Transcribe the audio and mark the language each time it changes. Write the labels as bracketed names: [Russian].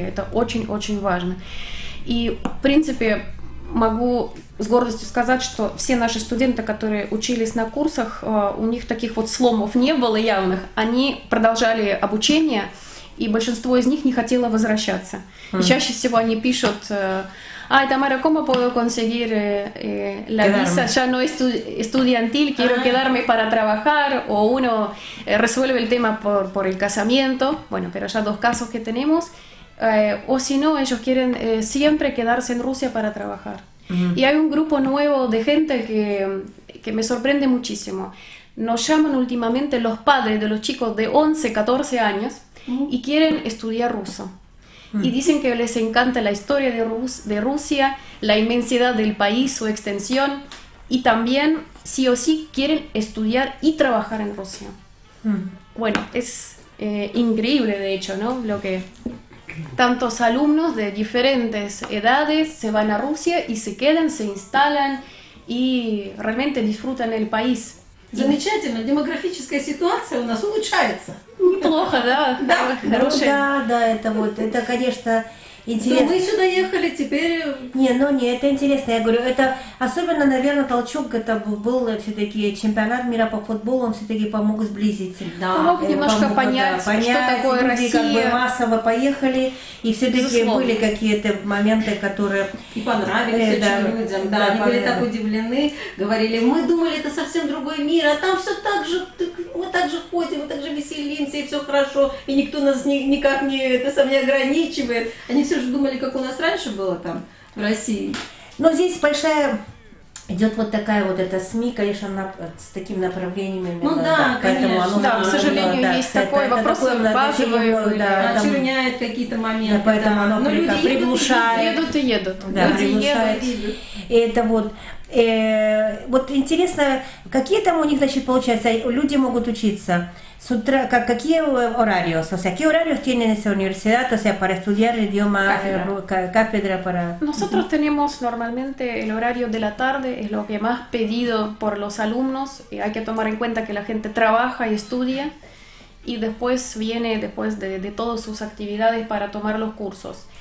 [Russian] Это очень-очень важно. И, в принципе, могу с гордостью сказать, что все наши студенты, которые учились на курсах, у них таких вот сломов не было явных. Они продолжали обучение, и большинство из них не хотело возвращаться. И чаще всего они пишут... [Spanish] Ay, Tamara, ¿cómo puedo conseguir la visa? Ya no es estudiantil, quiero quedarme para trabajar. O uno resuelve el tema por el casamiento. Bueno, pero ya dos casos que tenemos. O si no, ellos quieren siempre quedarse en Rusia para trabajar. Y hay un grupo nuevo de gente que me sorprende muchísimo. Nos llaman últimamente los padres de los chicos de 11, 14 años y quieren estudiar ruso. y dicen que les encanta la historia de Rusia, la inmensidad del país, su extensión, y también sí o sí quieren estudiar y trabajar en Rusia. Bueno, es increíble de hecho, ¿no? Lo que tantos alumnos de diferentes edades se van a Rusia y se quedan, se instalan y realmente disfrutan el país. [Russian] Замечательно, демографическая ситуация у нас улучшается. Неплохо, да? Да, хорошая. Ну, да, да, это вот, это, конечно, интересно. Мы сюда ехали, теперь... Не, ну не, это интересно, я говорю, это особенно, наверное, толчок, это был все-таки чемпионат мира по футболу, он все-таки помог сблизить. Да. Помог немножко понять, что такое Россия. Понять, люди как бы массово поехали, и все-таки безусловно. Были какие-то моменты, которые... И понравились очень людям, да, они были так удивлены, говорили, мы думали, это совсем другой мир, а там все так же, мы так же ходим, мы так же веселимся, и все хорошо, и никто нас никак не, это сам не ограничивает. Они все же думали, как у нас раньше было там, в России. Но здесь большая идет вот такая вот эта СМИ, конечно, она с такими направлениями. Ну да, конечно. Оно, да, к сожалению, да, есть такой вопрос, это базовый, да, очерняет там, какие-то моменты. Да, поэтому оно приглушает. Едут и едут. Да, приглушает. И это вот... вот интересно, какие там у них, значит, получается, люди могут учиться с утра, как, какие [Spanish] horarios, o sea, qué horarios tienen esa universidad, o sea, para estudiar idioma, cátedra para... Nosotros tenemos normalmente el horario de la tarde, es lo que más pedido por los alumnos, y hay que tomar en cuenta que la gente trabaja y estudia, y después viene, después de todas sus actividades para tomar los cursos.